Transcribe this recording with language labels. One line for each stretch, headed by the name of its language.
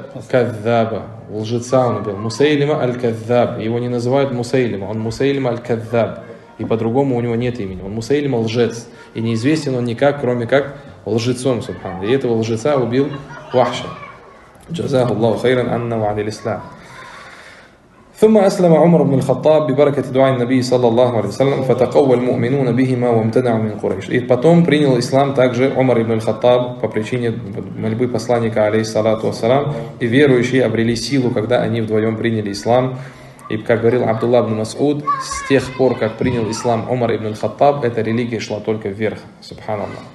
Russian: Каззаба, лжеца он убил. Мусейлима аль-Каззаб, его не называют Мусейлима, он Мусейлима аль-Каззаб. И по-другому у него нет имени. Он Мусейлима лжец. И неизвестен он никак, кроме как лжецом, субханаллах. И этого лжеца убил Вахша.
Arabic: Джазаху Аллаху хайран аннаху алил ислам. ثم أسلم عمر بن الخطاب ببركة دعاء النبي صلى الله عليه وسلم فتقوى المؤمنون بهما وامتنعوا من قريش.
Russian: И потом принял ислам также Умар ибн аль-Хаттаб по причине мольбы посланника алейхиссалату вассалам, и верующие обрели силу, когда они вдвоем приняли ислам. И как говорил Абдулла ибн Масуд, с тех пор, как принял ислам Умар ибн аль-Хаттаб, эта религия шла только вверх. Субханаллах.